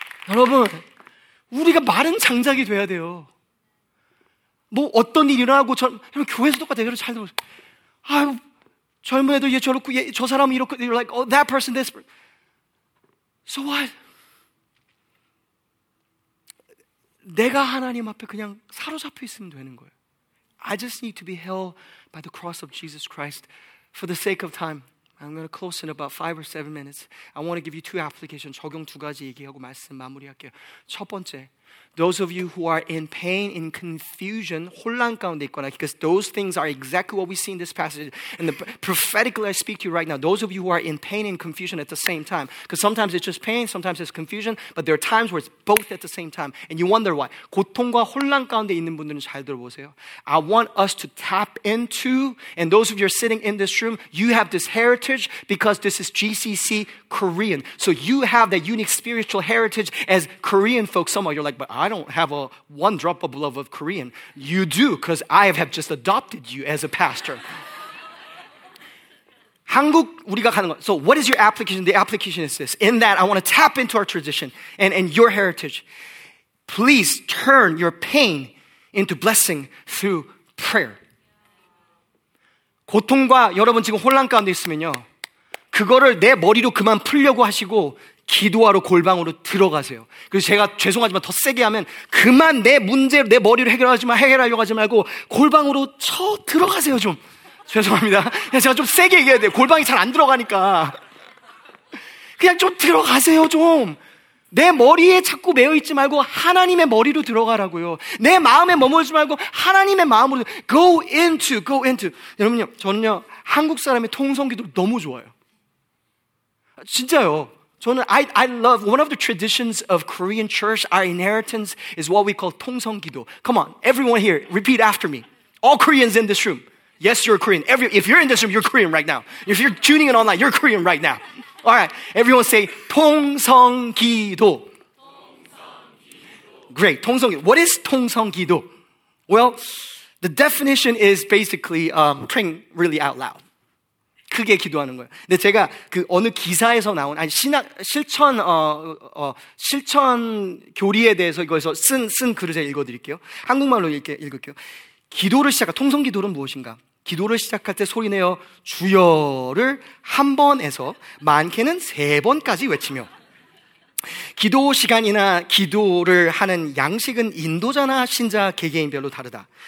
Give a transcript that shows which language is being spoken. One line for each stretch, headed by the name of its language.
Korean: 여러분, 우리가 마른 장작이 돼야 돼요. 뭐 어떤 일 일어나고 저 교회에서 똑같아요. 여러분 잘 들어보세요. 아유, 젊은 애도 얘 저렇고 얘 저 사람 이렇고
English: you're like, oh, that person, this person. So what?
Korean: 내가 하나님 앞에 그냥 사로잡혀 있으면 되는 거예요.
English: I just need to be held by the cross of Jesus Christ for the sake of time. I'm going to close in about 5 or 7 minutes. I want to give you 2 applications.
Korean: 적용 두 가지 얘기하고 말씀 마무리할게요. 첫 번째,
English: those of you who are in pain, in confusion,
Korean: 혼란 가운데 있거나,
English: because those things are exactly what we see in this passage. And the, prophetically, I speak to you right now, those of you who are in pain and confusion at the same time, because sometimes it's just pain, sometimes it's confusion, but there are times where it's both at the same time. And you wonder why.
Korean: 고통과 혼란 가운데 있는 분들은 잘 들어보세요.
English: I want us to tap into, and those of you who are sitting in this room, you have this heritage because this is GCC Korean. So you have that unique spiritual heritage as Korean folks. Some of you are like, but I don't have a one drop of love of Korean. You do, because I have just adopted you as a pastor.
Korean: 한국 우리가 가는 거.
English: So what is your application? The application is this. In that, I want to tap into our tradition and your heritage. Please turn your pain into blessing through prayer.
Korean: 고통과 여러분 지금 혼란 가운데 있으면요. 그거를 내 머리로 그만 풀려고 하시고 기도하러 골방으로 들어가세요. 그래서 제가 죄송하지만 더 세게 하면 그만 내 문제, 내 머리로 해결하려고 하지 말고 골방으로 쳐 들어가세요 좀. 죄송합니다. 제가 좀 세게 얘기해야 돼요. 골방이 잘 안 들어가니까. 그냥 좀 들어가세요 좀. 내 머리에 자꾸 매여있지 말고 하나님의 머리로 들어가라고요. 내 마음에 머물지 말고 하나님의 마음으로.
English: Go into.
Korean: 여러분요, 저는요 한국 사람의 통성기도 너무 좋아요. 진짜요. 저는
English: I love one of the traditions of Korean church, our inheritance is what we call 통성기도. Come on, everyone here, repeat after me. All Koreans in this room. Yes, you're Korean. If you're in this room, you're Korean right now. If you're tuning in online, you're Korean right now. All right, everyone say 통성기도.
Korean: 통성기도.
English: Great, 통성기도. What is 통성기도? Well, the definition is basically praying really out loud.
Korean: 크게 기도하는 거예요. 근데 제가 그 어느 기사에서 나온 아니 신학 실천 실천 교리에 대해서 이거에서 쓴 글을 제가 읽어드릴게요. 한국말로 읽을게요. 기도를 시작할 통성 기도는 무엇인가? 기도를 시작할 때 소리내어 주여를 한 번에서 많게는 세 번까지 외치며 기도 시간이나 기도를 하는 양식은 인도자나 신자 개개인별로 다르다.